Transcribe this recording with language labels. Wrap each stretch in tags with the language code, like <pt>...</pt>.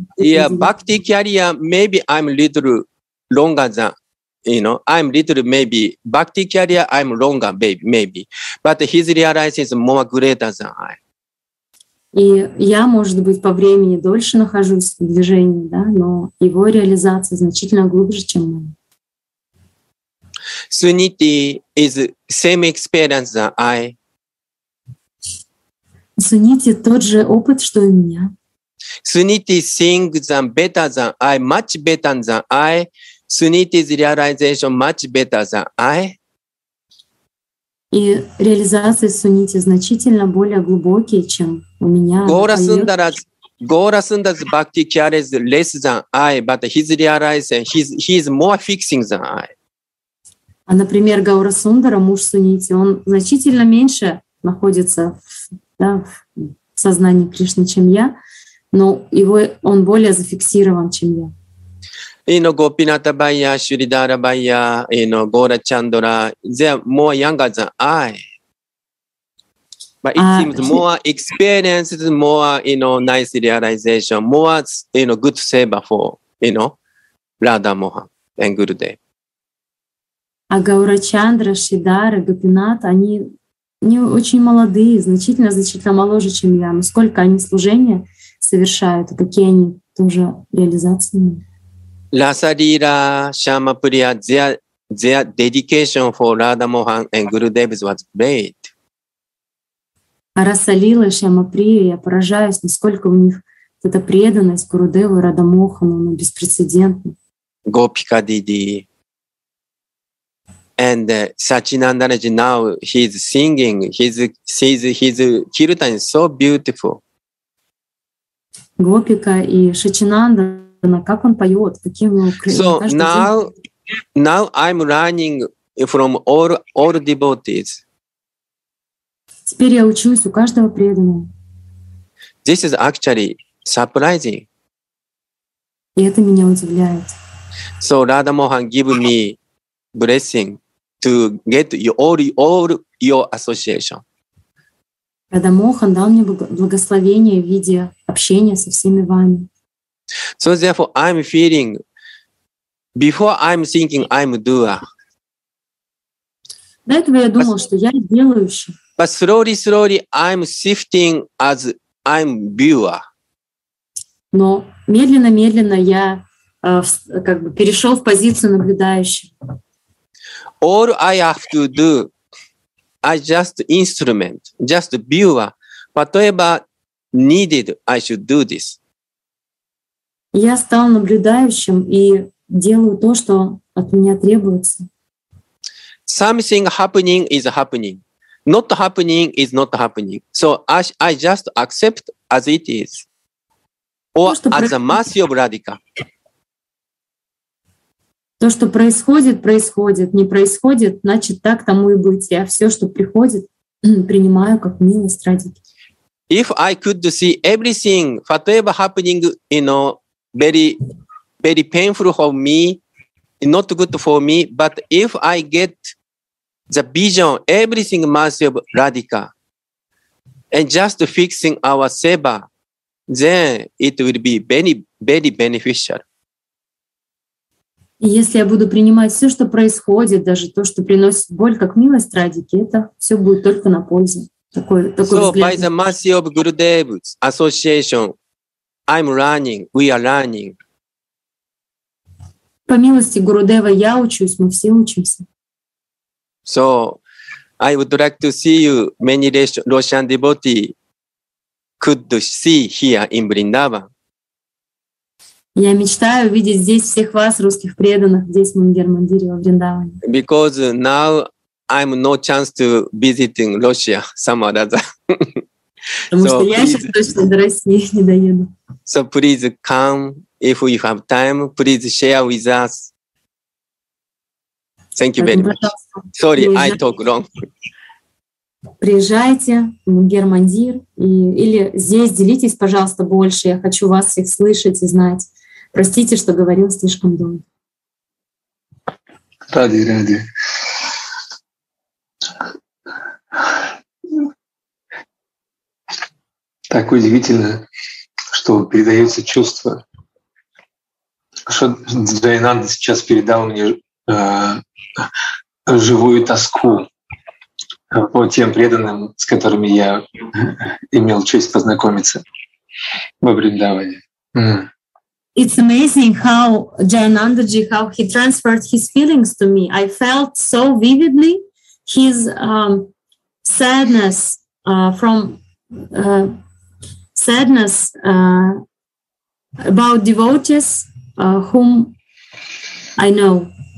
<en>Yeah, bhakti career, maybe I'm little longer than, you know, bhakti career, I'm longer, maybe. But his realization is more greater than I.</en> <ru>И я, может быть, по времени дольше нахожусь в движении, да, но его реализация значительно глубже, чем моя.</ru> <en>Suniti is same experience than I.</en> <ru>Suniti тот же опыт, что и у меня.</ru> <en>Suniti thinks better than I, much better than I. Suniti's realization much better than I.</en> <ru>И реализация Suniti значительно более глубокие, чем у меня.</ru> <en>Gaurasundara's bhakti care is less than I, but his realization, he's more fixing than I.</en> <ru>А, например, Gaurasundara, муж Suniti, он значительно меньше находится в сознании Кришны, чем я, но он более зафиксирован, чем я.</ru> <en>You know, Gopinatha Bhaiya, Shridhara Bhaiya, you know, Gaurachandra, they are more younger than I. But it seems more experienced, more, you know, nice realization, more, you know, good seva for, you know, Radha Mohan and Gurudev.</en> <ru>А Gaurachandra, Shridhara, Gopinatha, они не очень молодые, значительно моложе, чем я. Но сколько они служения совершают, и какие они тоже реализации.</ru> <en>Rasalila, Shama Priya, their dedication for Radha Mohan and Gurudev was great.</en> <ru>Rasalila, Shama Priya, я поражаюсь, насколько у них эта преданность Гурудеву и Радха Мохану, она беспрецедентна.</ru> <en>Gopika Didi. And Sachinandanaji, now he's singing, his kirtan is so beautiful.</en> <ru>Gopika и Sachinandana. Как он поёт, каким он крылья.</ru> <en>So now I'm learning from all devotees.</en> <ru>Теперь я учусь у каждого преданного.</ru> <en>This is actually surprising.</en> <ru>И это меня удивляет.</ru> <en>So Radha Mohan give me blessing to get all your association.</en> <ru>Radha Mohan дал мне благословение в виде общения со всеми вами.</ru> <en>So therefore, I'm feeling, before I'm thinking, I'm doer.</en> <ru>До этого я думал, что я делающий.</ru> <en>But slowly, I'm shifting as I'm viewer.</en> <ru>Но медленно я как бы перешел в позицию наблюдающего.</ru> <en>All I have to do, I just instrument, just viewer. Whatever needed, I should do this.</en> <ru>Я стал наблюдающим и делаю то, что от меня требуется.</ru> <en>Something happening is happening. Not happening is not happening. So I just accept as it is? Or as a mercy of Radhika?</en> <ru>То, что происходит, происходит. Не происходит, значит, так тому и быть. Я все, что приходит, принимаю как милость Радхики.</ru> <en>If I could see everything, whatever happening, you know, very, very painful for me, not good for me, but if I get the vision, everything mercy of Radhika, and just fixing our seva, then it will be very, very beneficial.</en> <ru>И если я буду принимать все, что происходит, даже то, что приносит боль, как милость Радхики, это все будет только на пользу. Такой</ru> <en>so,</en> <ru>взгляд.</ru> <en>By the mercy of Gurudev's association, I'm learning, we are learning.</en> <ru>По милости Гурудева я учусь, мы все учимся.</ru> <en>So, I would like to see you, many Russian devotees could see here in Vrindavan.</en> <ru>Я мечтаю видеть здесь всех вас, русских преданных, здесь в Мангер-Мандире, во Вриндаване.</ru> <en>Because now I'm no chance to visit in Russia, somewhere other.</en> <ru>Потому so, что я сейчас точно до России не доеду.</ru> <en>So please come, if you have time, please share with us. Thank you very much. Sorry, I talk long.</en> <ru>Приезжайте в Мангер-Мандир или здесь делитесь, пожалуйста, больше. Я хочу вас всех слышать и знать. Простите, что говорил слишком долго. Ради, ради. Так удивительно, что передаются чувства. Что Джайананда сейчас передал мне живую тоску по тем преданным, с которыми я имел честь познакомиться во Вриндаване.</ru> <en>It's amazing how Jayanandaji, how he transferred his feelings to me. I felt so vividly his sadness about devotees whom I know.</en>